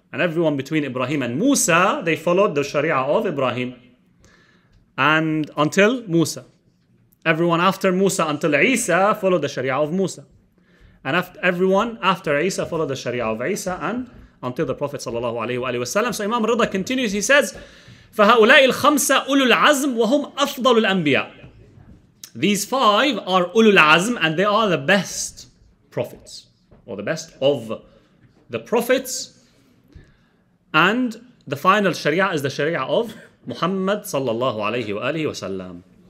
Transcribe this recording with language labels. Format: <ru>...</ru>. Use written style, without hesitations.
<en>And everyone between Ibrahim and Musa, they followed the Sharia of Ibrahim. And until Musa. Everyone after Musa until Isa followed the Sharia of Musa. And after everyone after Isa followed the Sharia of Isa and until the Prophet sallallahu alayhi wa sallam. So Imam Rida continues, he says,</en> <ar>فَهَؤُلَاءِ الْخَمْسَ أُولُو الْعَزْمِ وَهُمْ أَفْضَلُ الْأَنْبِيَاءِ.</ar> <en>These five are أُولُو الْعَزْمِ and they are the best prophets. Or the best of the prophets. And the final Sharia is the Sharia of Muhammad sallallahu alayhi wa alayhi wa sallam.</en>